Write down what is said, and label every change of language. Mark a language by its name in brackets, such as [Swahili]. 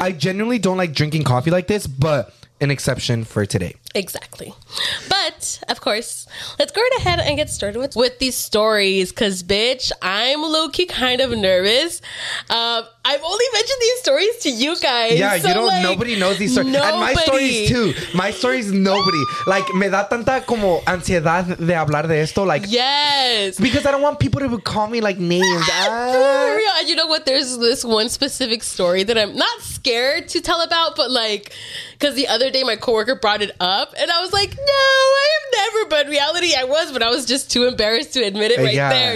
[English] I genuinely don't like drinking coffee like this, but an exception for today. Exactly. But, of course, let's go right ahead and get started with these stories. Because, bitch, I'm low-key kind of nervous. I've only mentioned these stories to you guys. Yeah, so you don't. Like, nobody knows these stories. Nobody. And my stories, too. My stories, nobody. [Spanish] Like, me da tanta como ansiedad de hablar de esto. [English] Like, yes. Because I don't want people to call me, like, names. For real. And you know what? There's this one specific story that I'm not scared to tell about. But, like, because the other day my coworker brought it up. And I was like, no, I have never. But reality, I was. But I was just too embarrassed to admit it there.